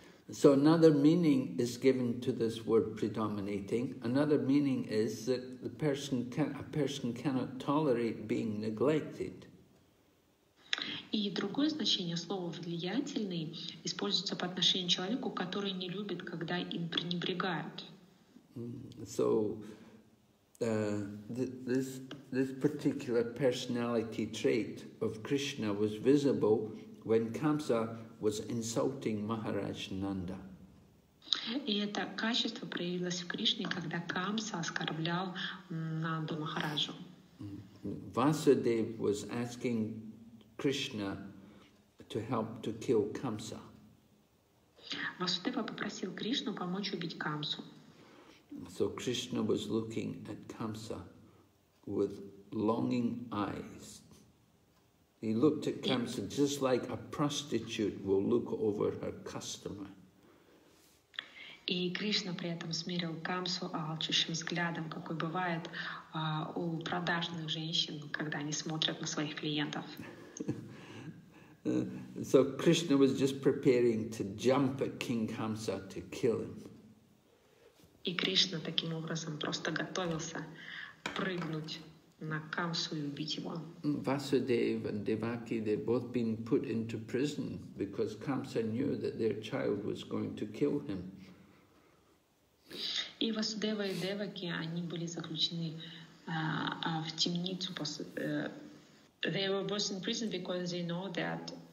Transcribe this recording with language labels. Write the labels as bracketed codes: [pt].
[en] So another meaning is given to this word predominating. Another meaning is that a person cannot tolerate being neglected. [ru] И другое значение слова «влиятельный» используется по отношению к человеку, который не любит, когда им пренебрегают. [en] So, this particular personality trait of Krishna was visible when Kamsa was insulting Maharaj Nanda. [ru] И это качество проявилось в Кришне, когда Камса оскорблял Нанду Махараджу. [en] Vasudev was asking Krishna to help to kill Kamsa. [ru] Vasudeva попросил Кришну помочь убить Камсу. [en] So Krishna was looking at Kamsa with longing eyes. He looked at Kamsa just like a prostitute will look over her customer. [ru] И Кришна при этом смирил Камсу алчущим взглядом, какой бывает у продажных женщин, когда они смотрят на своих клиентов. [en] So Krishna was just preparing to jump at King Kamsa to kill him. [ru] И Кришна таким образом просто готовился прыгнуть на Камсу и убить его. [en] Vasudev and Devaki, they've both been put into prison because Kamsa knew that their child was going to kill him. [ru] И Васудева и Деваки, они были заключены в темницу после. [en] They were both in prison because they know that